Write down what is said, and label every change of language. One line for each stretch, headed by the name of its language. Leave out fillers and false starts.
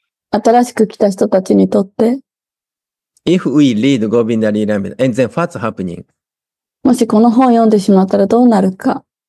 Japanese: 新しく来た人たちにとって、
English: if we read Govinda Leela Amrita, and then what's happening?
Japanese: もしこの本を読んでしまったらどうなるか。